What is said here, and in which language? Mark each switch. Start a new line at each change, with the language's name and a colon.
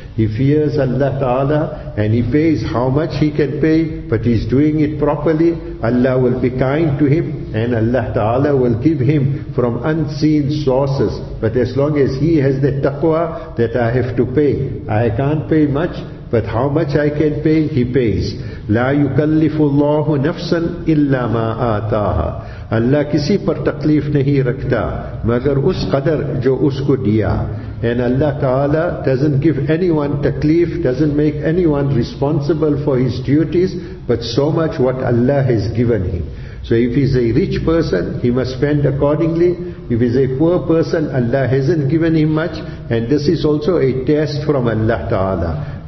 English: He fears Allah Ta'ala and he pays how much he can pay, but he's doing it properly. Allah will be kind to him and Allah Ta'ala will give him from unseen sources. But as long as he has the taqwa that I have to pay, I can't pay much, but how much I can pay, he pays.
Arabic: لا يكلف الله نفسا إلا ما آتاها.
Urdu: Allah کسی پر تکلیف نہیں رکھتا مگر اس قدر جو اس کو دیا.
English: And Allah Ta'ala doesn't give anyone taklif, doesn't make anyone responsible for his duties, but so much what Allah has given him. So if he's a rich person, he must spend accordingly. If he's a poor person, Allah hasn't given him much. And this is also a test from Allah Ta'ala.